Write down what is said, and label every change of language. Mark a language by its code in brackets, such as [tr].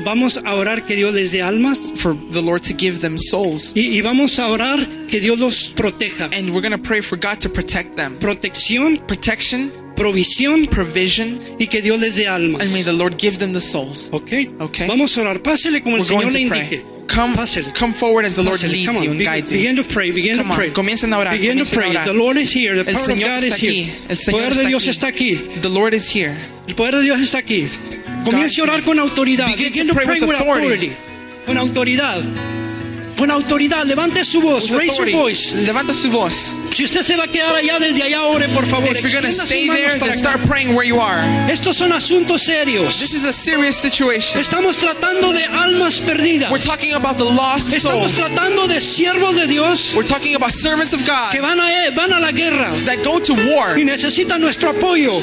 [es] Vamos a orar que Dios les dé almas. [en] For the Lord to give them souls. [es] Y vamos a orar que Dios los proteja. [en] And we're going to pray for God to protect them. [es] Protección. [en] Protection. [es] Provisión. [en] Provision. [es] Y que Dios les dé almas. [en] And may the Lord give them the souls. Okay. Okay. [es] Vamos a orar. Pásele como [en] we're [es] el Señor [en] going to [es] le [en] pray. [es] Indique. [en] Come forward as the Lord leads you and guides you. Begin to pray. Begin to pray. [es] Comiencen a orar. [en] Begin to pray. The Lord is here. The power of God is here. [es] El Señor está aquí. [en] The Lord is here. [es] El poder de Dios está aquí. Comience a orar con autoridad. [en] Begin to pray with authority. [es] Con autoridad. Con autoridad. Levante su voz. [en] Raise your voice. [es] Levanta su voz. Si usted se va a quedar allá desde allá, ore por favor. [en] If you're going to stay there, then start praying where you are. [es] Estos son asuntos serios. [en] This is a serious situation. [es] Estamos tratando de almas perdidas. [en] We're talking about the lost souls. [es] Estamos tratando de siervos de Dios. [en] We're talking about servants of God. [es] Que van a la guerra. [en] That go to war. [es] Y necesitan nuestro apoyo.